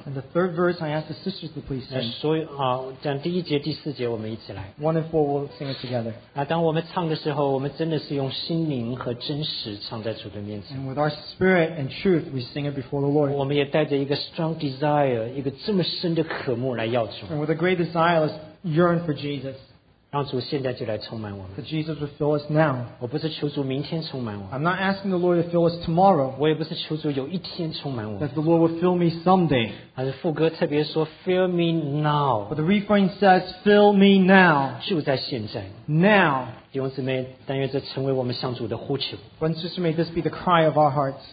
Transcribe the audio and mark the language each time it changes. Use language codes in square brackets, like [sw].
[en] And the third verse, I ask the sisters to please sing. [zh] 所以讲第一节第四节我们一起来。 [en] 1 and 4, we'll sing it together. [zh] 当我们唱的时候我们真的是用心灵和真实唱在主的面前。 [en] And with our spirit and truth, we sing it before the Lord. [zh] 我们也带着一个 [en] strong desire, [zh] 一个这么深的渴慕来要求。 [en] And with a great desire, let's yearn for Jesus. [zh] 让主现在就来充满我们。 [en] That Jesus would fill us now. [zh] 我不是求主明天充满我。 [en] I'm not asking the Lord to fill us tomorrow. [zh] 我也不是求主有一天充满我。 [en] That the Lord would fill me someday. [zh] 还是副歌特别说 [en] fill me now. But the refrain says fill me now. [zh] 就在现在。 [en] Now. [zh] 弟兄姊妹，但愿这成为我们向主的呼求。 [en] When sister, may this be the cry of our hearts.